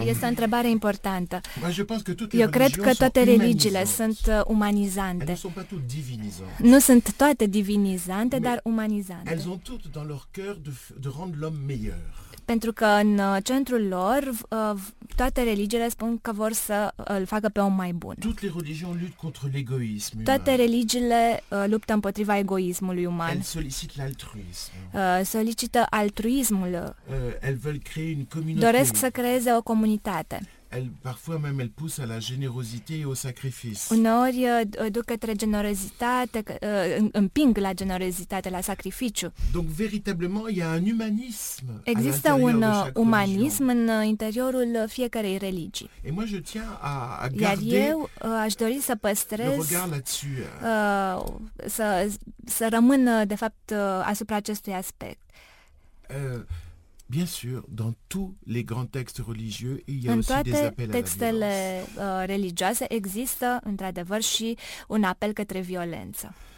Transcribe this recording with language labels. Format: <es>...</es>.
<ro>Este o întrebare importantă.</ro> <fr>Moi, je pense que toutes</fr> <ro>eu cred că toate religiile sunt umanizante.</ro> <fr>Elles ne sont pas toutes divinisantes.</fr> <ro>Nu sunt toate divinizante, mais dar umanizante.</ro> <fr>Elles ont toutes dans leur cœur de rendre l'homme meilleur.</fr> <ro>Pentru că în centrul lor toate religiile spun că vor să îl facă pe om mai bun.</ro> <fr>Toutes les religions luttent contre l'égoïsme.</fr> <ro>Toate religiile luptă împotriva egoismului uman.</ro> <fr>Elles sollicitent l'altruisme.</fr> <ro>Solicită altruismul.</ro> <fr>Elles veulent créer une communauté.</fr> <ro>Doresc să creeze o comunitate.</ro> <fr>Elle parfois même elle pousse à la générosité et au sacrifice.</fr> <ro>Uneori duc către generozitate, împing la generozitate, la sacrificiu.</ro> <fr>Donc véritablement il y a un humanisme.</fr> <ro>Există un umanism în interiorul fiecarei religii.</ro> <fr>Et moi je tiens à garder.</fr> <ro>Iar eu aș dori să păstrez.</ro> <fr>Le regard là-dessus.</fr> <ro>Să rămân de fapt asupra acestui aspect.</ro> <fr>Bien sûr, dans tous les grands textes religieux, il y a aussi des appels à la violence.</fr> <ro>Textele religioase există într-adevăr și un apel către violență.</ro>